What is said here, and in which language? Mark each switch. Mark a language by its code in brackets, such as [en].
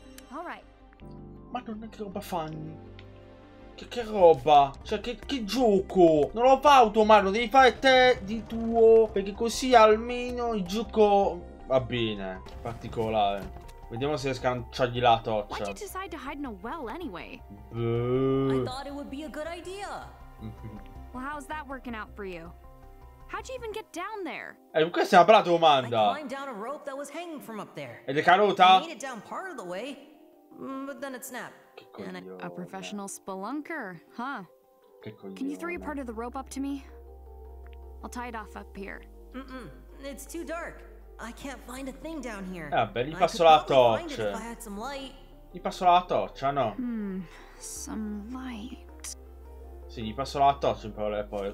[en] All right. [it] Ma non è che roba fanno? Che roba? Cioè, che gioco? Non lo fa automatico, lo devi fare te di tuo. Perché così almeno il gioco va bene. Particolare. Vediamo se riesco a lanciargli la torcia. [en] Why did you decide to hide in a well anyway? I thought it would be a good idea. Well, how's that working out for you? How'd you even get down there? [it] Questa è una bella domanda. [en] I climbed down a rope that was hanging from up there. [it] Ed è caduta? [en] I made it down part of the way, but then it snapped. And a professional spelunker, huh? Can you throw your part of the rope up to me? I'll tie it off up here. It's too dark. I can't find a thing down here. [it] Vabbè, gli passo la torcia. [en] I had some light. [it] Gli passo la torcia, no? [en] Some light. [it] Sì, gli passo la torcia in parole poi.